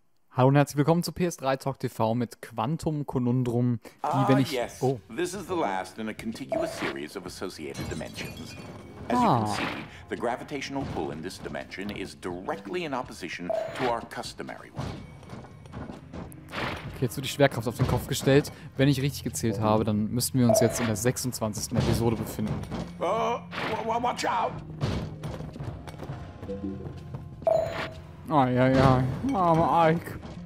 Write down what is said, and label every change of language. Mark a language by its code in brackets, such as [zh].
[de] Hallo und herzlich willkommen zu PS3 Talk TV mit Quantum Konundrum, die, wenn ich... [en] Yes. Oh. This is the last in a contiguous series of associated dimensions. As you can see, the gravitational pull in this dimension is directly in opposition to our customary one. [de] Okay, jetzt wird die Schwerkraft auf den Kopf gestellt. Wenn ich richtig gezählt habe, dann müssten wir uns jetzt in der 26. Episode befinden. [en] Watch out! [de] Eieiei, armer Ike.